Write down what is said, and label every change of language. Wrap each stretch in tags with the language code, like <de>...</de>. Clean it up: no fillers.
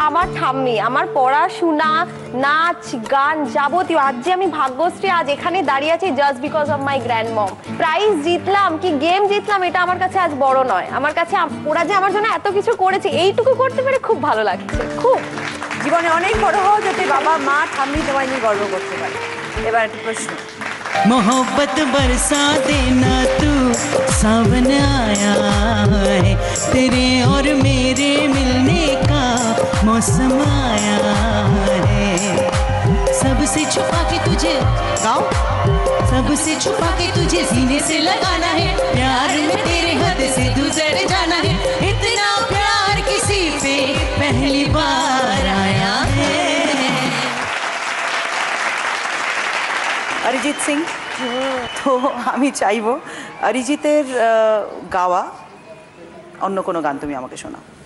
<bn>আমার ঠাম্মি, আমার পড়াশোনা, নাচ, গান যাবতীয়, আজ যে আমি ভাগ্যশ্রী আজ এখানে দাঁড়িয়ে আছি</bn> <en>Just because of my grandmom.</en> <bn>Prize জিতলাম কি গেম জিতলাম এটা আমার কাছে আজ বড় নয়, আমার কাছে ওরা যে আমার জন্য এত কিছু করেছে এইটুকু করতে পেরে খুব ভালো লাগছে। খুব জীবনে অনেক বড় হও যাতে বাবা মা ঠাম্মি তোমায় নিয়ে গর্ব করতে পারে। এবার একটা প্রশ্ন।</bn> <hi>मोहब्बत बरसा देना तू सावन आया है, तेरे और मेरे मिलने का मौसम आया है। सबसे छुपा के तुझे गाओ, सबसे छुपा के तुझे सीने से लगाना है, प्यार में तेरे हद से गुजर जाना है। इतना प्यार किसी पे पहली बार आया है।</hi> <bn>অরিজিৎ সিং, তো আমি চাইব অরিজিতের গাওয়া অন্য কোনো গান তুমি আমাকে শোনাও।</bn>